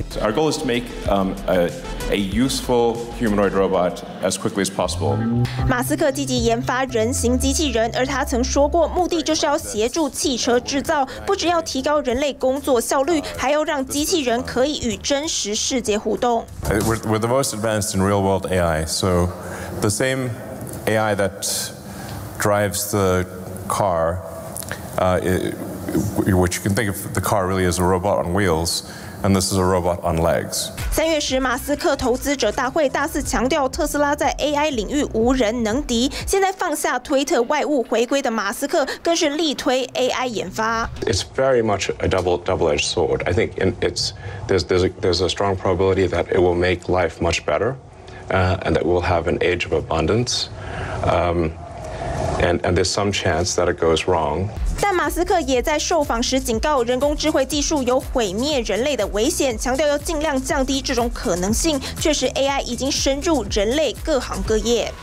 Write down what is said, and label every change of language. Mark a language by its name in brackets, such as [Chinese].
[English] Our goal is to make a useful humanoid robot as quickly as possible. [Chinese] 马斯克积极研发人形机器人，而他曾说过，目的就是要协助汽车制造，不只要提高人类工作效率，还要让机器人可以与真实世界互动。 [English] We're the most advanced in real world AI, so the same AI that drives the car, which you can think of the car really as a robot on wheels, and this is a robot on legs. [Chinese] 三月时，马斯克投资者大会大肆强调特斯拉在 AI 领域无人能敌。现在放下推特外务回归的马斯克，更是力推 AI 研发。 [English] It's very much a double-edged sword. I think there's a strong probability that it will make life much better, and that we'll have an age of abundance. And there's some chance that it goes wrong. [Chinese] 但马斯克也在受访时警告，人工智慧技术有毁灭人类的危险，强调要尽量降低这种可能性。确实 ，AI 已经深入人类各行各业。